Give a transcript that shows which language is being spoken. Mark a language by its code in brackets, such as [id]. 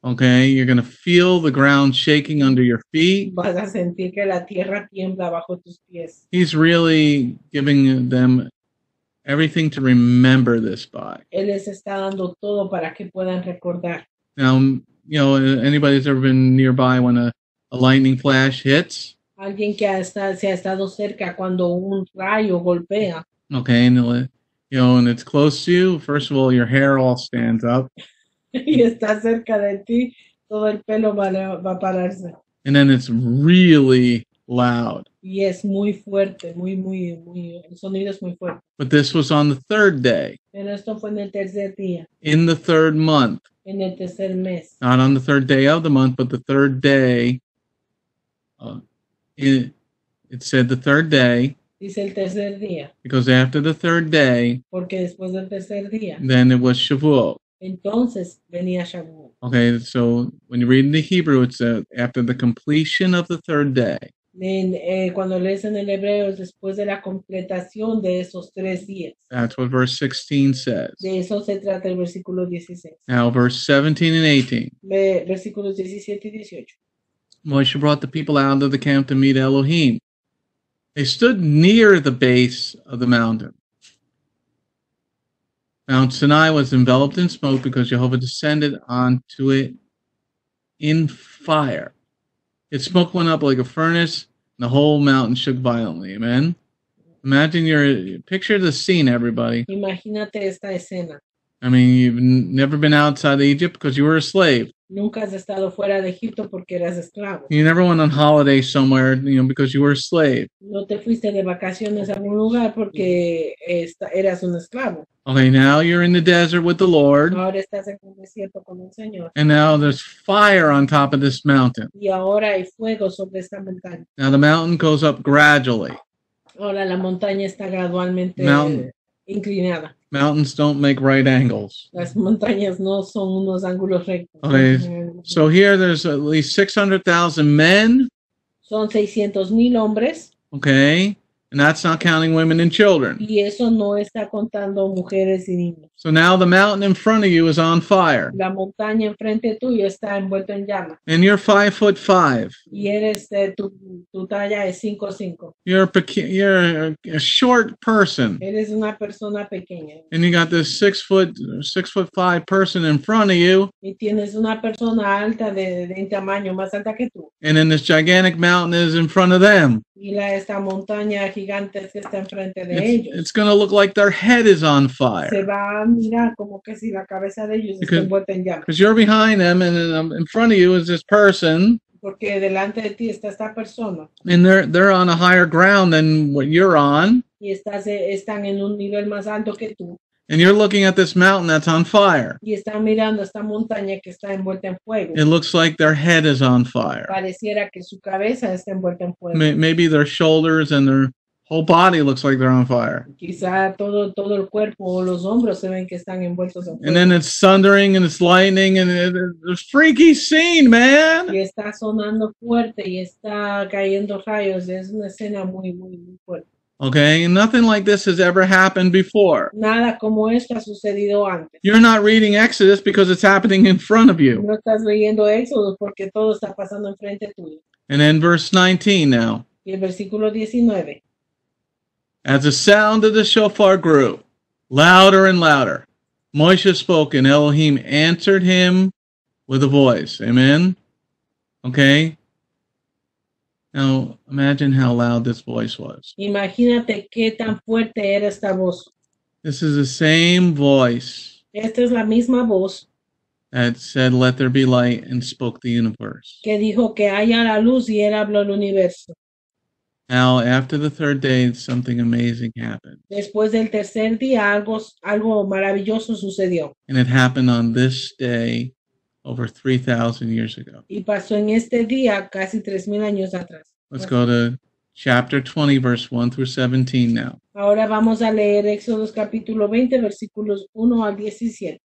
[en] Okay, you're going to feel the ground shaking under your feet. [es] Vas a sentir que la tierra tiembla bajo tus pies. [en] He's really giving them everything to remember this by. [es] Él les está dando todo para que puedan recordar. [en] Now, you know, anybody that's ever been nearby when a lightning flash hits? [es] Alguien que se ha estado cerca cuando un rayo golpea. [en] Okay, you know, and it's close to you, first of all, your hair all stands up. [es] Y está cerca de ti, todo el pelo va a pararse. [en] And then it's really loud. [es] Y es muy fuerte, muy, muy, muy, el sonido es muy fuerte. [en] But this was on the third day. [es] Pero esto fue en el tercer día. [en] In the third month. [es] En el tercer mes. [en] Not on the third day of the month, but the third day. It said the third day. [es] Dice el tercer día. [en] Because after the third day, [es] porque después del tercer día, [en] then it was Shavuot. [es] Entonces venía Shavuot. [en] Okay, so when you read in the Hebrew, it's after the completion of the third day. [es] Cuando lees en el hebreo, es después de la completación de esos tres días. [en] That's what verse 16 says. [es] De eso se trata el versículo 16. [en] Now verse 17 and 18. [es] Versículos 17 y 18. [en] Moshe brought the people out of the camp to meet Elohim. They stood near the base of the mountain. Mount Sinai was enveloped in smoke because Jehovah descended onto it in fire. Its smoke went up like a furnace, and the whole mountain shook violently. Amen? Picture the scene, everybody. [es] Imagínate esta escena. [en] I mean, you've never been outside of Egypt because you were a slave. [es] Nunca has estado fuera de Egipto porque eras esclavo. [en] You never went on holiday somewhere, you know, because you were a slave. [es] No te fuiste de vacaciones a algún lugar porque eras un esclavo. [en] Okay, now you're in the desert with the Lord. [es] Ahora estás en el desierto con el Señor. [en] And now there's fire on top of this mountain. [es] Y ahora hay fuego sobre esta montaña. [en] Now the mountain goes up gradually. [es] Ahora la montaña está gradualmente inclinada. [en] Mountains don't make right angles. [es] Las montañas no son unos ángulos rectos. [en] Okay. So here there's at least 600,000 men. [es] Son 600,000 hombres. [en] Okay. And that's not counting women and children. [es] Y eso no está contando mujeres y niños. [en] So now the mountain in front of you is on fire. [es] La montaña enfrente tuyo está envuelto en llama. [en] And you're 5 foot five. [es] Y eres tu talla es 5'5". [en] You're a short person. [es] Eres una persona pequeña. [en] And you got this 6'5" person in front of you. [es] Y tienes una persona alta de tamaño más alta que tú. [en] And then this gigantic mountain is in front of them. [es] Y esta montaña gigantes que está enfrente de ellos. [en] It's going to look like their head is on fire. [es] Se va a mirar como que si la cabeza de ellos está envuelta en llamas. [en] Because you're behind them and in front of you is this person. [es] Porque delante de ti está esta persona. [en] And they're on a higher ground than what you're on. [es] Y están en un nivel más alto que tú. [en] And you're looking at this mountain that's on fire. [es] Y están mirando esta montaña que está envuelta en fuego. [en] It looks like their head is on fire. [es] Pareciera que su cabeza está envuelta en fuego. [en] Maybe their shoulders and their whole body looks like they're on fire. [es] Quizá todo el cuerpo o los hombros se ven que están envueltos en fuego. [en] And then it's thundering and it's lightning and it's a freaky scene, man. [es] Y está sonando fuerte y está cayendo rayos. Es una escena muy, muy, muy fuerte. [en] Okay, and nothing like this has ever happened before. [es] Nada como esto ha sucedido antes. [en] You're not reading Exodus because it's happening in front of you. [es] No estás leyendo Exodus porque todo está pasando enfrente tuyo. [en] And then verse 19 now. [es] Y el versículo 19. [en] As the sound of the shofar grew louder and louder, Moshe spoke and Elohim answered him with a voice. Amen? Okay? Now, imagine how loud this voice was. [es] Imagínate qué tan fuerte era esta voz. [en] This is the same voice. [es] Esta es la misma voz. [en] That said, let there be light, and spoke the universe. [es] Que dijo que haya la luz y él habló el universo. [en] Now, after the third day, something amazing happened. [es] Después del tercer día, algo maravilloso sucedió. [en] And it happened on this day over 3,000 years ago. [es] Y pasó en este día casi 3,000 años atrás. [en] Let's go to chapter 20, verse 1 through 17 now. [es] Ahora vamos a leer Éxodos capítulo 20, versículos 1 al 17.